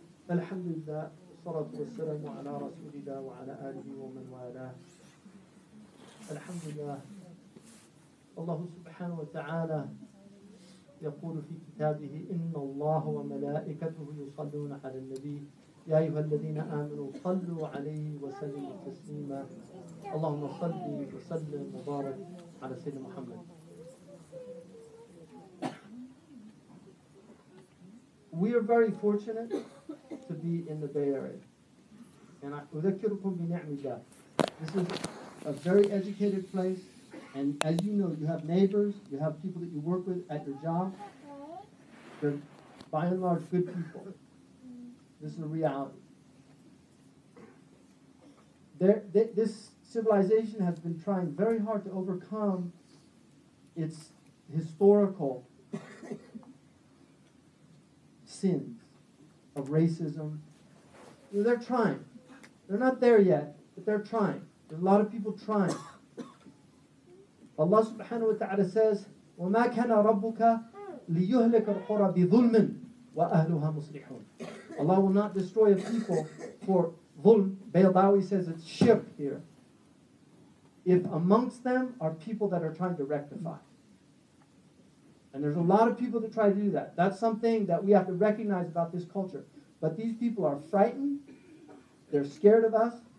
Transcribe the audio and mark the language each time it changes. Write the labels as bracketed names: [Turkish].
[Arabic] الحمد لله والصلاة والسلام على رسول الله وعلى آله ومن والاه الحمد لله الله سبحانه وتعالى يقول في كتابه إن الله وملائكته يصلون على النبي يا أيها الذين آمنوا صلوا عليه وسلموا تسليما اللهم صل وسلم وبارك على سيدنا محمد. [English] We are very fortunate to be in the Bay Area. And I [Arabic] udhakkirukum bi ni'matillah. [English] This is a very educated place. And as you know, you have neighbors, you have people that you work with at your job. They're by and large good people. This is a reality. This civilization has been trying very hard to overcome its historical sins of racism. They're trying. They're not there yet, but they're trying. There's a lot of people trying. Allah subhanahu wa ta'ala says, [Arabic] وَمَا كَانَ رَبُّكَ لِيُهْلِكَ الْقُرَى بِظُلْمٍ وَأَهْلُهَا مُصْلِحُونَ. [English] Allah will not destroy a people for ظُلْم. Baydawi says it's shirk here. If amongst them are people that are trying to rectify. And there's a lot of people that try to do that. That's something that we have to recognize about this culture. But these people are frightened. They're scared of us.